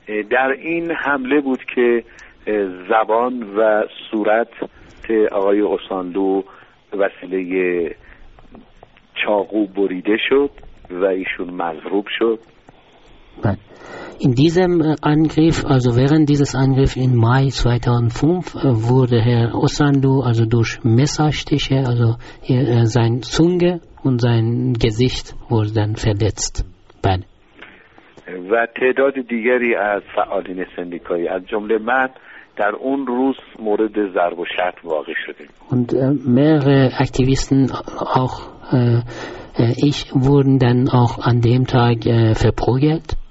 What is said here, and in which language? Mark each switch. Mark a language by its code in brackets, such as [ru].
[fa] در این حمله بود که زبان و صورت آقای اوساندو وسیله چاقو بریده شد و ایشون مضروب شد. [de] In diesem Angriff, also während dieses Angriffs im Mai 2005, wurde Herr Osandu also durch Messerstiche, also sein Zunge und sein Gesicht wurde dann verletzt. [fa] و تعداد دیگری از فعالین سندیکایی از جمله من در اون روز مورد ضرب و شتم واقع شدیم. [de] Und mehrere Aktivisten auch ich wurden dann auch an dem Tag verprügelt.